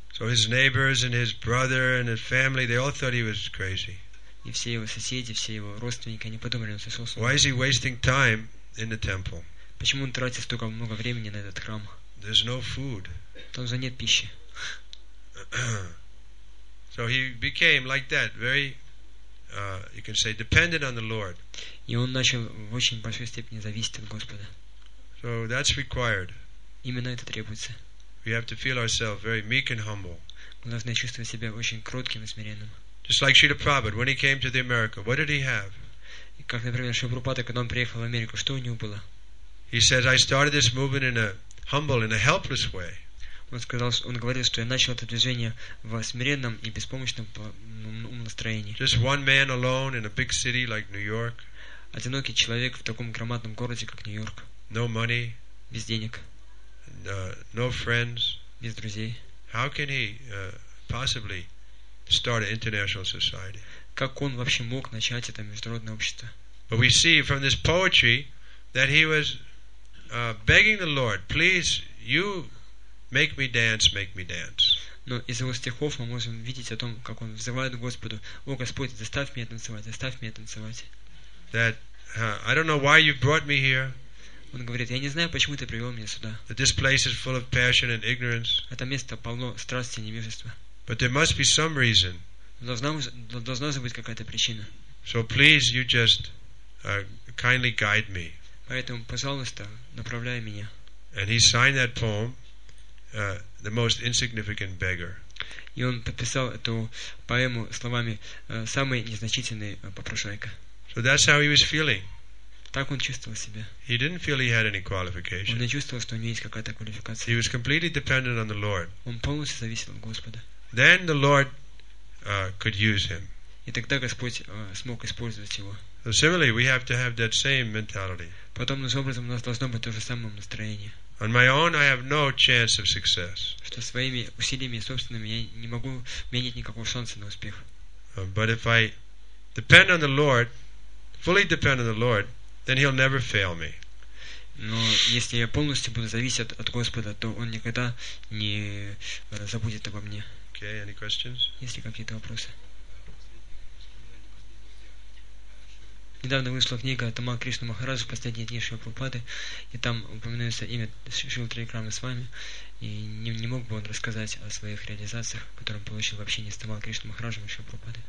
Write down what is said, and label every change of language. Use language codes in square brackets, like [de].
[en] So his neighbors and his brother and his family, they all thought he was crazy. [ru] И все его соседи, все его родственники, они подумали, он сошел с ума. [en] Why is he wasting time in the temple? [ru] Почему он тратит столько много времени на этот храм? [en] There's no food. [ru] Там же нет пищи. [en] So he became like that, very, you can say, dependent on the Lord. [ru] И он начал в очень большой степени зависеть от Господа. [en] So that's required. [ru] Именно это требуется. [en] We have to feel ourselves very meek and humble. [ru] Мы должны чувствовать себя очень кротким и смиренным. [en] Just like Srila Prabhupada, when he came to the America, what did he have? [ru] Как, например, Шрила Прабхупада, когда он приехал в Америку, что у него было? [en] He says, I started this movement in a humble, in a helpless way. [ru] Он говорил, что я начал это движение в смиренном и беспомощном настроении. [en] Just one man alone in a big city like New York. [ru] Одинокий человек в таком громадном городе, как Нью-Йорк. [en] No money. [ru] Без денег. [en] No friends. [ru] Без друзей. [en] How can he possibly start an international society? [ru] Как он вообще мог начать это международное общество? [en] But we see from this poetry that he was begging the Lord, please, you make me dance, make me dance. [ru] Но из его стихов мы можем видеть о том, как он взывает Господу: О Господь, заставь меня танцевать, заставь меня танцевать. [en] That I don't know why you brought me here. [ru] Он говорит, я не знаю, почему ты привел меня сюда. [en] This place is full of passion and ignorance. [ru] Это место полно страсти и невежества. [en] But there must be some reason. [ru] Должна быть какая-то причина. [en] So please, you just kindly guide me. [ru] Поэтому, пожалуйста, направляй меня. [en] And he signed that poem, the most insignificant beggar. [ru] И он подписал эту поэму словами самый незначительный попрошайка. [en] So that's how he was feeling. [ru] Так он чувствовал себя. [en] He didn't feel he had any qualification. [ru] Он не чувствовал, что у него есть какая-то квалификация. [en] He was completely dependent on the Lord. [ru] Он полностью зависел от Господа. [en] Then the Lord could use him. [ru] И тогда Господь смог использовать его. [en] So similarly, we have to have that same mentality. [ru] Потом, таким образом, у нас должно быть то же самое настроение. [en] On my own, I have no chance of success. [ru] Что своими усилиями собственными я не могу иметь никакого шанса на успех. [en] But if I depend on the Lord, fully depend on the Lord, then He'll never fail me. [ru] Но если я полностью буду зависеть от Господа, то Он никогда не забудет обо мне. [en] Okay, any questions? [ru] Есть ли какие-то вопросы? Недавно вышла книга Тома Кришна Махараджа «Последние дни Шри Прабхупады», и там упоминается имя Шрилы Трикрамы с вами, и не мог бы он рассказать о своих реализациях, которые он получил в общении с Тома Кришна Махараджем и Шри Прабхупады.